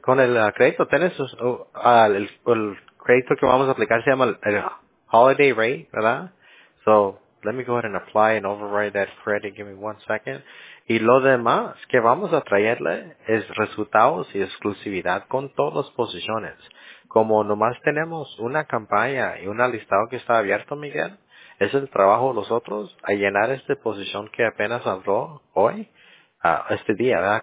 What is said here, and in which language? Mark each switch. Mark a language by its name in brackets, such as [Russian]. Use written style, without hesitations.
[Spanish] Con el crédito, tienes el crédito que vamos a aplicar se llama el Holiday Rate, ¿verdad? [English] So, let me go ahead and apply and override that credit. Give me one second. [Spanish] Y lo demás que vamos a traerle es resultados y exclusividad con todas las posiciones. Como nomás tenemos una campaña y un listado que está abierto, Miguel, es el trabajo de nosotros a llenar esta posición que apenas abrió hoy, este día, ¿verdad?